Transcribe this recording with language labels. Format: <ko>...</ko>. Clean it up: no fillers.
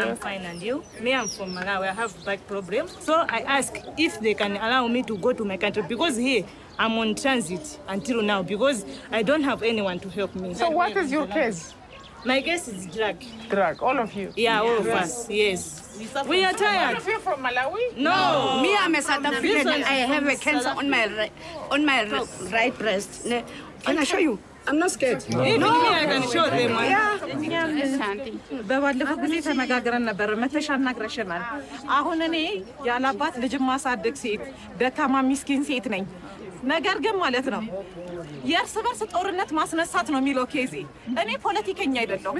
<en>አም ፋይን አንድ ዩ ሚ አም ፍሮም ማላዊ አይ ሃቭ ባክ ፕሮብለም ሶ አይ አስክ ኢፍ ዴ ካን አላው ሚ ቱ ጎ ቱ ማይ ካንትሪ ቢኮዝ ሂ አም ኦን ትራንዚት አንቲል ናው ቢኮዝ አይ ዶንት ሃቭ ኤኒዋን ቱ ሄልፕ ሚ ሶ ዋት ኢዝ ዩር ኬስ ማይ ኬስ ኢዝ ድራግ ድራግ ኦል ኦፍ ዩ ያ ኦል ኦፍ አስ ዬስ We are tired. You are from Malawi? No. Me, I'm a South African and I have a cancer on my right breast. Can I show you? I'm not scared. No. Even me, I can show them. Yeah.</en> <am>በባለፈው ጊዜ ተነጋግረን ነበር መተሻና ግረሽናል አሁን እኔ ያላባት ልጅ ማሳደግ ሴት ደካማ ምስኪን ሴት ነኝ ነገር ግን ማለት ነው የእርስ በርስ ጦርነት ማስነሳት ነው የሚለው ኬዚ እኔ ፖለቲከኛ አይደለሁም</am>